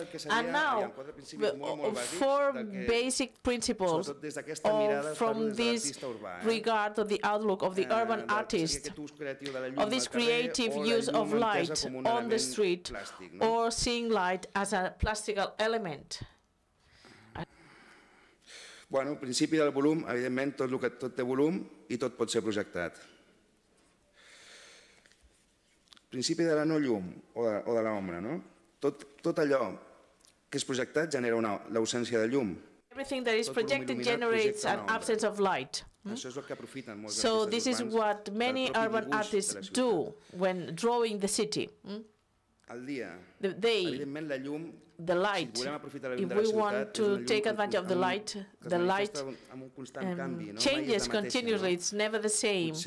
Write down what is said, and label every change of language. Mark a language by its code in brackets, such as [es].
[en] And now, four basic principles from this regard of the outlook of the urban artist, of this creative use of light on the street, or seeing light as a plastical element. [ca] Bueno, principi del volum, evidentment, tot el que tot té volum I tot pot ser projectat. Principi de la no llum o de l'ombra, no? Tot allò que és projectat genera l'ausència de llum. [en] Everything that is projected generates an absence of light. So this is what many urban artists do when drawing the city. [ca] El dia, [en] the day, [ca] la llum, [en] the light, if we want to take advantage of the light, the light changes continuously, it's never the same.